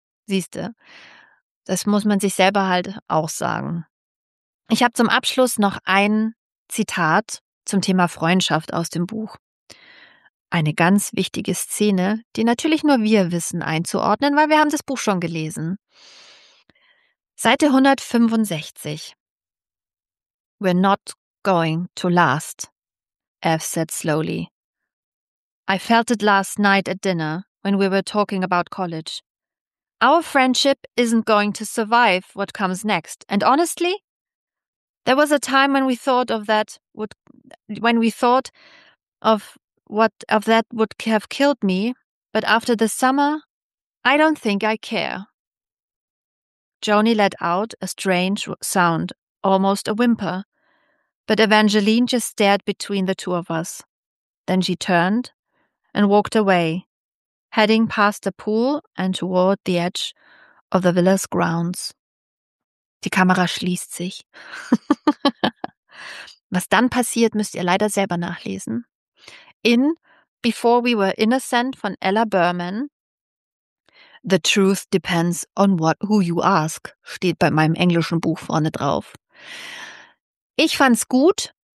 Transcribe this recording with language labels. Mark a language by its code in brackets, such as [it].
[de] Siehste, das muss man sich selber halt auch sagen. Ich habe zum Abschluss noch ein Zitat zum Thema Freundschaft aus dem Buch. Eine ganz wichtige Szene, die natürlich nur wir wissen einzuordnen, weil wir haben das Buch schon gelesen. Seite 165. [en] We're not going to last, F said slowly. I felt it last night at dinner when we were talking about college. Our friendship isn't going to survive what comes next, and honestly, there was a time when we thought of that would, when we thought of what of that would have killed me, but after the summer, I don't think I care. Joni let out a strange sound, almost a whimper, but Evangeline just stared between the two of us. Then she turned and walked away, heading past the pool and toward the edge of the villa's grounds. [de] Die Kamera schließt sich. Was dann passiert, müsst ihr leider selber nachlesen. In Before We Were Innocent von Ella Berman. [en] The truth depends on what who you ask, [de] steht bei meinem englischen Buch vorne drauf. Ich fand's gut.